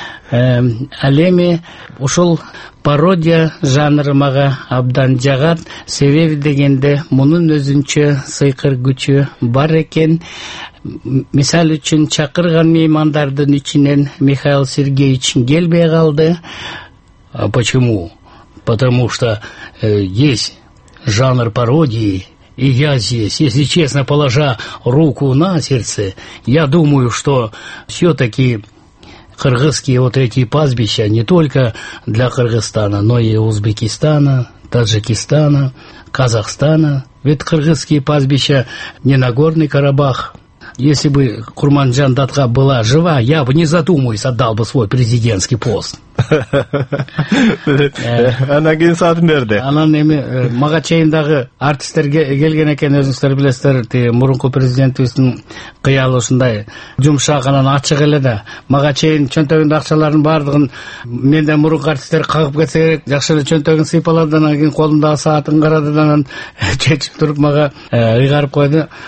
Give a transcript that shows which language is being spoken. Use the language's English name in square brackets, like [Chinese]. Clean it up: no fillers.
[Kyrgyz] Ал эми ушул пародия жанры мага абдан жагат. Себеби дегенде мунун өзүнчө сыйкыр күчү бар экен. Мисал үчүн чакырган меймандардын ичинен Михаил Сергеевич келбей калды. [Russian] А почему? Потому что есть жанр пародии. И я здесь, если честно, положа руку на сердце, я думаю, что все-таки кыргызские вот эти пастбища не только для Кыргызстана, но и Узбекистана, Таджикистана, Казахстана. Ведь кыргызские пастбища не Нагорный Карабах. Если бы Курманжан датка была жива, я бы, не задумываясь, отдал бы свой президентский пост. [Kyrgyz] Ана кийин саатын берди. Анан эми мага чейиндагы артисттер келген экен, өзүңүздөр билесиздер, тиги мурунку президентибиздин кыялы ушундай жумшак, анан ачык эле да. Мага чейин чөнтөгүндө акчалардын баардыгын менден мурунку артисттер кагып кетсе керек, жакшы эле чөнтөгүн сыйпалады, анан кийин колундагы саатын карады да, анан чечип туруп мага ыйгарып койду.